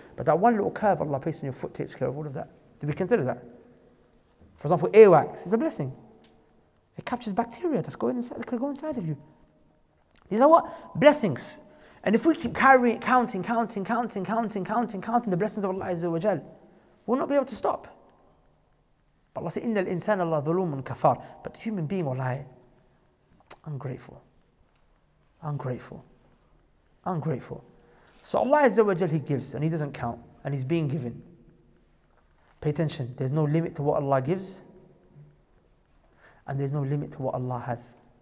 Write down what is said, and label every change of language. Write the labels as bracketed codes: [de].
[en] But that one little curve Allah placed on your foot takes care of all of that. Do we consider that? For example, earwax is a blessing. It captures bacteria that's going inside, that could go inside of you. These are what? Blessings. And if we keep carrying, counting the blessings of Allah Azza wa Jal, we'll not be able to stop. But Allah said, [ar] إِنَّ الْإِنسَانَ اللَّهُ ظُلُومٌ كَفَارٌ. [en] But the human being, wallahi, ungrateful. Ungrateful. So Allah Azza wa Jal, He gives and He doesn't count and He's being given. Pay attention, there's no limit to what Allah gives and there's no limit to what Allah has.